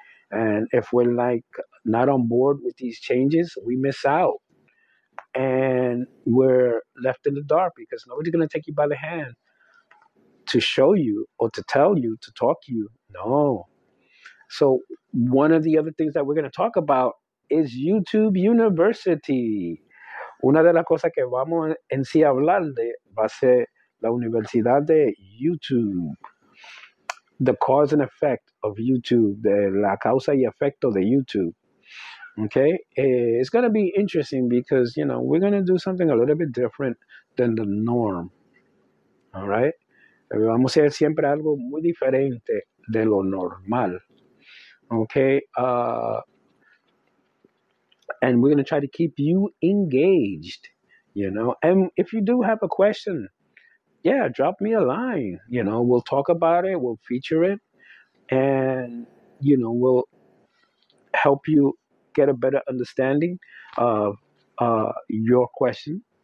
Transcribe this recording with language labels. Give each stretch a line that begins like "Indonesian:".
English: And if we're like not on board with these changes, we miss out and we're left in the dark, because nobody's going to take you by the hand to show you or to tell you, to talk to you. No. So one of the other things that we're going to talk about is YouTube University.
Spanish: Una de las cosas que vamos en sí a hablar de va a ser la Universidad de YouTube.
English: The cause and effect of YouTube.
Spanish: De la causa y efecto de YouTube.
English: Okay? It's going to be interesting because, you know, we're going to do something a little bit different than the norm. All right?
Spanish: Vamos a hacer siempre algo muy diferente de lo normal.
English: Okay? And we're going to try to keep you engaged, you know. And if you do have a question, yeah, drop me a line. You know, we'll talk about it. We'll feature it. And, you know, we'll help you get a better understanding of your question.